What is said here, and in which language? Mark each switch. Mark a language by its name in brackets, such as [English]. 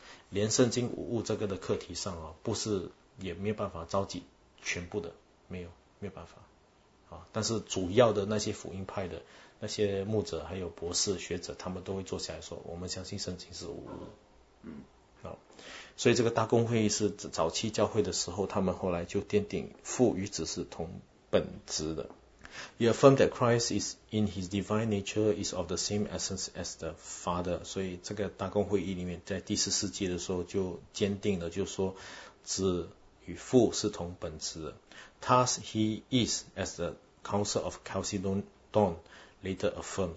[Chinese] 连圣经五物这个的课题上不是也没有办法召集全部的，没有办法但是主要的那些福音派的那些牧者还有博士学者，他们都会坐下来说我们相信圣经是无误的。所以这个大公会议是早期教会的时候，他们后来就奠定父与子是同本质的。 [English] You affirm that Christ is in his divine nature is of the same essence as the Father. [Chinese] 所以这个大公会议里面在第四世纪的时候就坚定了，就是说子与父是同本质的。 [English] Thus he is, as the Council of Chalcedon later affirmed.